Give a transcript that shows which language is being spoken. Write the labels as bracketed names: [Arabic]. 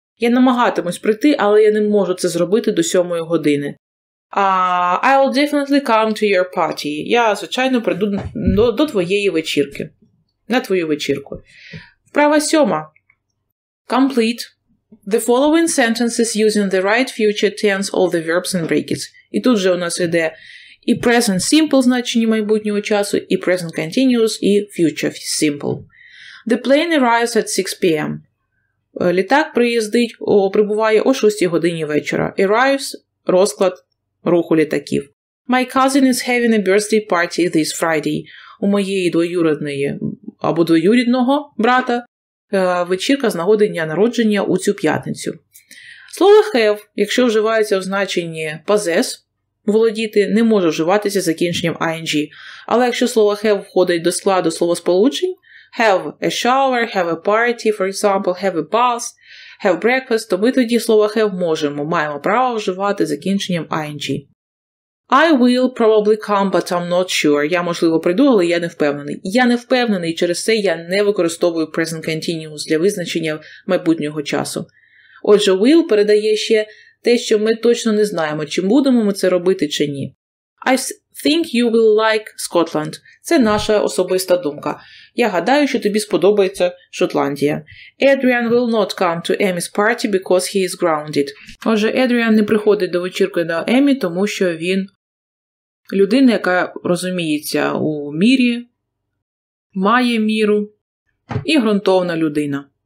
[Ukrainian] Я намагатимусь прийти, але я не можу це зробити до 7 години. [English] I'll definitely come to your party. [Ukrainian] Я, звичайно, прийду до твоєї вечірки. На твою вечірку. Вправа сьома. [English] Complete the following sentences using the right future tense of the verbs and brackets. [Ukrainian] І тут же у нас іде і present simple, значення майбутнього часу, і present continuous, і future simple. [English] The plane arrives at 6 p.m. [Ukrainian] Літак прибуває о 6 годині вечора. Arrives – розклад руху літаків. [English] My cousin is having a birthday party this Friday. [Ukrainian] У моєї двоюрідної або двоюрідного брата вечірка з нагоди дня народження у цю п'ятницю. Слово have, якщо вживається в значенні possess, володіти не може вживатися закінченням ing. Але якщо слово have входить до складу словосполучень [English] have a shower, have a party, for example, have a bath, have breakfast, [Ukrainian] то ми тоді слово have можемо, маємо право вживати закінченням ing. [English] I will probably come, but I'm not sure. [Ukrainian] Я, можливо, прийду, але я не впевнений. Я не впевнений, і через це я не використовую present continuous для визначення майбутнього часу. Отже, will передає ще те, що ми точно не знаємо, чи будемо ми це робити, чи ні. [English] I think you will like Scotland. [Ukrainian] Це наша особиста думка. Я гадаю, що тобі сподобається Шотландія. [English] Adrian will not come to Amy's party because he is grounded. [Ukrainian] Отже, Adrian не приходить до вечірки на Amy, тому що він людина, яка розуміється у мірі, має міру і ґрунтовна людина.